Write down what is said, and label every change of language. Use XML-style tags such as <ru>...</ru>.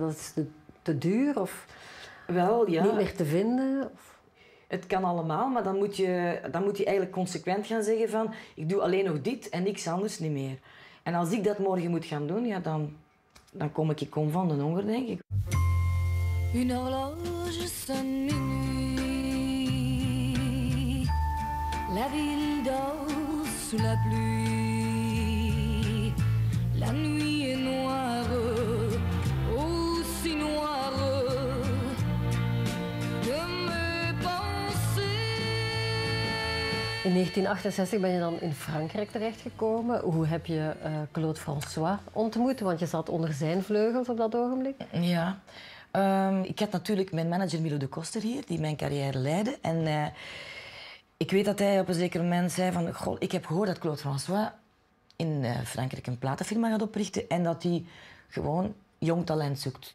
<nl>Dat is te duur of wel, ja. Niet meer te vinden? Of... Het kan allemaal, maar dan moet je eigenlijk consequent gaan zeggen van ik doe alleen nog dit en niks anders niet meer. En als ik dat morgen moet gaan doen, ja, dan kom ik om van de honger, denk ik.</nl> <fr>Une horloge sonne minuit. La ville dort. Sous la pluie, la nuit est noire, aussi noire que mes pensées.</fr> <nl>In 1968 ben je dan in Frankrijk terechtgekomen. Hoe heb je Claude François ontmoet? Want je zat onder zijn vleugels op dat ogenblik. Ja. Ik had natuurlijk mijn manager Milo de Koster hier, die mijn carrière leidde. Ik weet dat hij op een zeker moment zei van... Goh, ik heb gehoord dat Claude François in Frankrijk een platenfirma gaat oprichten en dat hij gewoon jong talent zoekt.</nl>